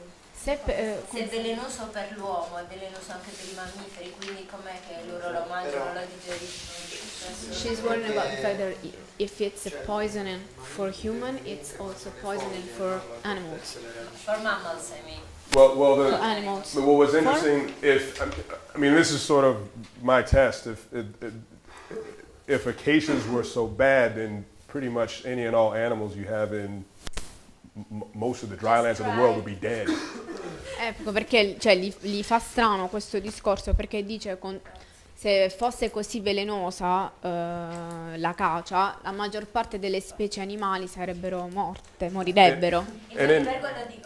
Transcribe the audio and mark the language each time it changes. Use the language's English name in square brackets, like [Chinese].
[Italian] Se è velenoso per l'uomo, è velenoso anche per i mammiferi, quindi com'è che loro lo mangiano, lo digeriscono? [English] She's worried about whether if it's a poison for human, it's also poison for animals. For mammals, I mean. Well, the animals. What was interesting, I mean, this is sort of my test. If acacias were so bad, then pretty much any and all animals you have in most of the dry lands of the world would be dead. [Italian] Ecco perché, cioè, gli fa strano questo discorso, perché dice se fosse così velenosa la acacia, la maggior parte delle specie animali sarebbero morte, morirebbero.